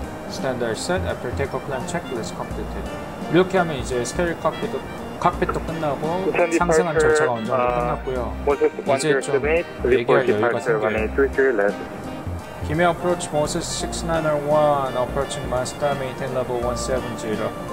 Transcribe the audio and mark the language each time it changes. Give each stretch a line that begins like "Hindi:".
English: Standard set after takeoff climb checklist completed.
Korean: 이렇게 하면 이제 스테레오 칵핏도 끝나고 상승한 절차가 어느 정도 끝났고요. 이제 좀 얘기할 여유가 생겨요. 김해 어프로치
English: Moses 6901 approaching master maintain level 170.